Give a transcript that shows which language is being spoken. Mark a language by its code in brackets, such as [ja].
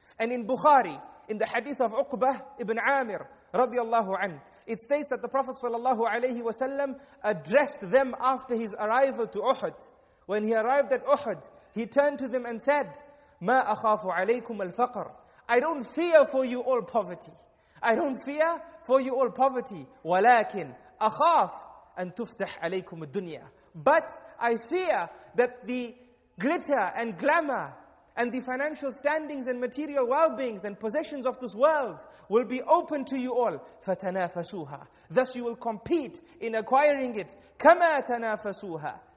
[en] And in Bukhari, in the hadith of Uqbah ibn Amir, [ar] رضي الله عنه, [en] it states that the Prophet [ar] صلى الله عليه وسلم [en] addressed them after his arrival to Uhud. When he arrived at Uhud, he turned to them and said, [ar] ما أخاف عليكم الفقر. [en] I don't fear for you all poverty. I don't fear for you all poverty. [ar] ولكن أخاف أن تفتح عليكم الدنيا. [en] But I fear that the glitter and glamour and the financial standings and material well-beings and possessions of this world will be open to you all. [ar] فَتَنَافَسُوهَا. [en] Thus you will compete in acquiring it. [ar] كَمَا تَنَافَسُوهَا.